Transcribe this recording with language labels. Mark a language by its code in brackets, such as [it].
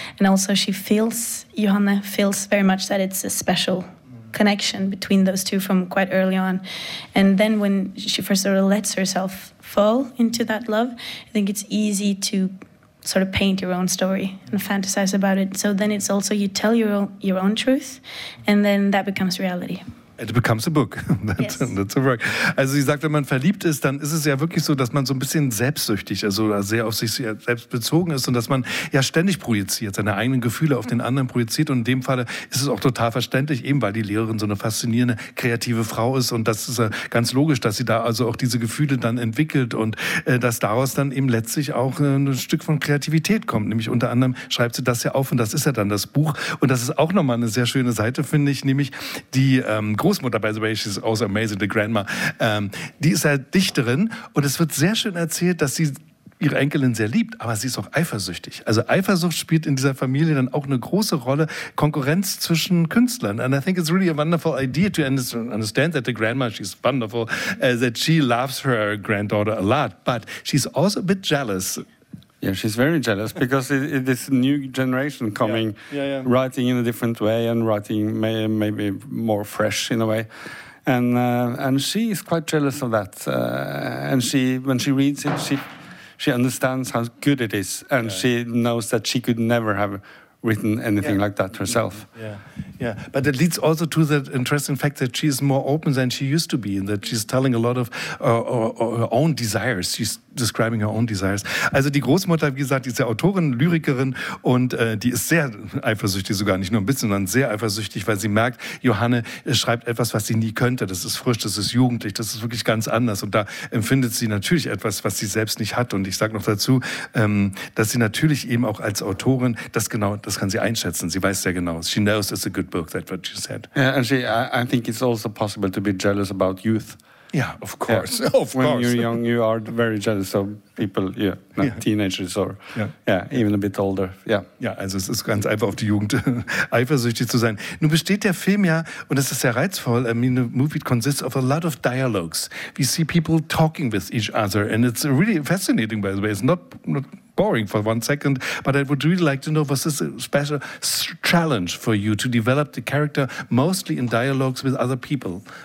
[en] And also Johanna feels very much that it's a special connection between those two from quite early on. And then when she first sort of lets herself fall into that love, I think it's easy to sort of paint your own story and fantasize about it. So then it's also you tell your own truth, and then that becomes reality. It becomes a book. That's a work. [de] Also sie sagt, wenn man verliebt ist, dann ist es ja wirklich so, dass man so ein bisschen selbstsüchtig, also sehr auf sich selbst bezogen ist und dass man ja ständig projiziert, seine eigenen Gefühle auf den anderen projiziert. Und in dem Falle ist es auch total verständlich, eben weil die Lehrerin so eine faszinierende, kreative Frau ist. Und das ist ganz logisch, dass sie da also auch diese Gefühle dann entwickelt und dass daraus dann eben letztlich auch ein Stück von Kreativität kommt. Nämlich unter anderem schreibt sie das ja auf und das ist ja dann das Buch. Und das ist auch nochmal eine sehr schöne Seite, finde ich, nämlich die Großmutter, [en] by the way, she's also amazing, the grandma. [de] Die ist halt Dichterin und es wird sehr schön erzählt, dass sie ihre Enkelin sehr liebt, aber sie ist auch eifersüchtig. Also Eifersucht spielt in dieser Familie dann auch eine große Rolle, Konkurrenz zwischen Künstlern. [en] And I think it's really a wonderful idea to understand that the grandma, she's wonderful, that she loves her granddaughter a lot, but she's also a bit jealous. Yeah, she's very jealous because it's this new generation coming, writing in a different way and writing maybe more fresh in a way. And she is quite jealous of that. And she, when she reads it, she understands how good it is. And she knows that she could never have written anything like that herself. Yeah, but it leads also to that interesting fact that she is more open than she used to be and that she's telling a lot of her own desires. She's describing her own desires. [de] Also die Großmutter, wie gesagt, ist ja Autorin, Lyrikerin und die ist sehr eifersüchtig sogar, nicht nur ein bisschen, sondern sehr eifersüchtig, weil sie merkt, Johanne schreibt etwas, was sie nie könnte. Das ist frisch, das ist jugendlich, das ist wirklich ganz anders und da empfindet sie natürlich etwas, was sie selbst nicht hat und ich sage noch dazu, dass sie natürlich eben auch als Autorin das genau, das kann sie einschätzen, sie weiß sehr genau. [en] She knows it's a good book, that's what she said. Yeah, and I think it's also possible to be jealous about youth. Yeah, of course. Yeah. Of when course. You're young, you are very jealous of people, teenagers or even a bit older. Yeah. [de] Ja, also es ist ganz einfach auf die Jugend eifersüchtig zu sein. Nun besteht der Film ja, und das ist sehr reizvoll, [en] I mean, the movie consists of a lot of dialogues. We see people talking with each other and it's really fascinating, by the way. It's not boring for one second, but I would really like to know, was this a special challenge for you to develop the character mostly in dialogues with other people?